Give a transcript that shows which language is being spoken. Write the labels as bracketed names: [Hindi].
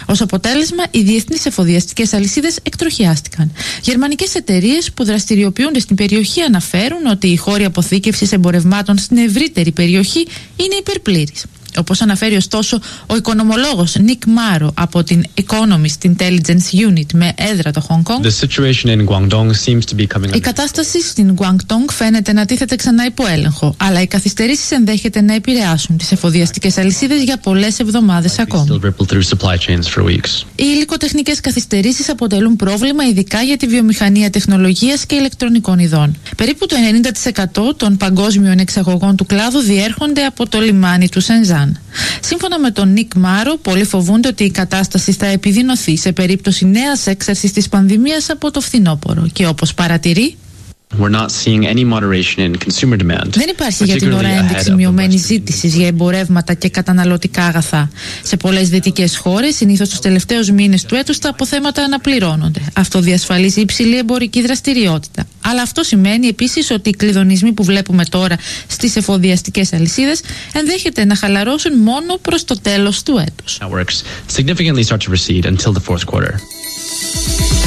[Greek] Ως αποτέλεσμα, οι διεθνείς εφοδιαστικές αλυσίδες εκτροχιάστηκαν. Γερμανικές εταιρείες που δραστηριοποιούνται στην περιοχή αναφέρουν ότι οι χώροι αποθήκευσης εμπορευμάτων στην ευρύτερη περιοχή είναι υπερπλήρης. Όπως αναφέρει ωστόσο ο οικονομολόγος Νικ Μάρο από την Economist Intelligence Unit με έδρα το Hong Kong, [English] the situation in Guangdong seems to be coming under... [Greek] Η κατάσταση στην Guangdong φαίνεται να τίθεται ξανά υπό έλεγχο, αλλά οι καθυστερήσεις ενδέχεται να επηρεάσουν τις εφοδιαστικές αλυσίδες για πολλές εβδομάδες ακόμα. Οι υλικοτεχνικές καθυστερήσεις αποτελούν πρόβλημα ειδικά για τη βιομηχανία τεχνολογίας και ηλεκτρονικών ειδών. Περίπου το 90% των παγκόσμιων εξαγωγών του κλάδου διέρχονται από το λιμάνι του Σενζέν. Σύμφωνα με τον Νικ Μάρο, πολλοί φοβούνται ότι η κατάσταση θα επιδεινωθεί σε περίπτωση νέας έξαρσης της πανδημίας από το φθινόπωρο. Και όπως παρατηρεί, [English] we're not seeing any moderation in consumer demand. [Greek] Δεν υπάρχει για την ώρα ένδειξη μειωμένης ζήτησης για εμπορεύματα και καταναλωτικά αγαθά. Σε πολλές δυτικές χώρες, συνήθως τους τελευταίους μήνες του έτους, τα αποθέματα αναπληρώνονται. Αυτό διασφαλίζει υψηλή εμπορική δραστηριότητα. Αλλά αυτό σημαίνει επίσης ότι οι κλειδονισμοί που βλέπουμε τώρα στις εφοδιαστικές αλυσίδες ενδέχεται να χαλαρώσουν μόνο προς το τέλος του έτους. [English] Significantly start to recede until the fourth quarter.